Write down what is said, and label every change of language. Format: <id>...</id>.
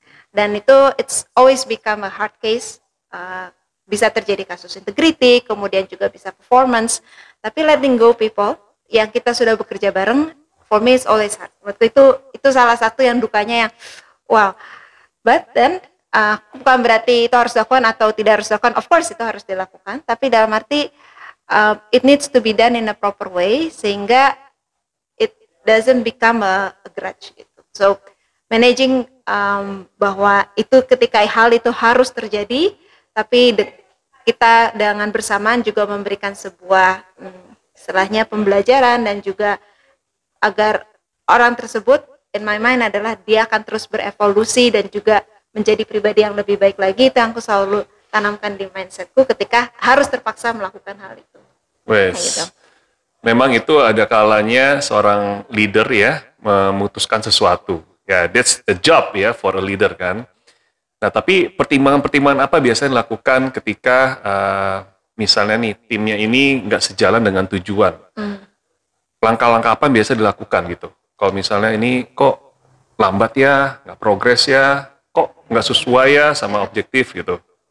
<id>Dan itu</id> <en>it's always become a hard case.</en> <id>Bisa terjadi kasus integrity, kemudian juga bisa performance.</id> <en>Tapi letting go people</en> <id>yang kita sudah bekerja bareng,</id> <en>for me is always hard.</en> <id>Waktu itu salah satu yang dukanya yang wow.</id> <en>But then</en> <id>bukan berarti itu harus dilakukan atau tidak harus dilakukan.</id> <en>Of course</en> <id>itu harus dilakukan. Tapi dalam arti</id> <en>it needs to be done in a proper way</en> <id>sehingga</id> <en>it doesn't become a grudge gitu.</en> <id>So managing bahwa itu ketika hal itu harus terjadi, tapi kita dengan bersamaan juga memberikan sebuah istilahnya pembelajaran dan juga agar orang tersebut</id> <en>in my mind</en> <id>adalah dia akan terus berevolusi dan juga menjadi pribadi yang lebih baik lagi. Itu yang aku selalu tanamkan di mindsetku ketika harus terpaksa melakukan hal itu. Wes, memang itu ada kalanya seorang leader ya memutuskan sesuatu.</id> <en>Ya, that's the job ya for a leader kan.</en> <id>Nah, tapi pertimbangan-pertimbangan apa biasanya dilakukan ketika misalnya nih timnya ini nggak sejalan dengan tujuan? Langkah-langkah apa yang biasa dilakukan gitu? Kalau misalnya ini kok lambat ya, nggak progres ya, kok nggak sesuai ya sama objektif gitu?</id>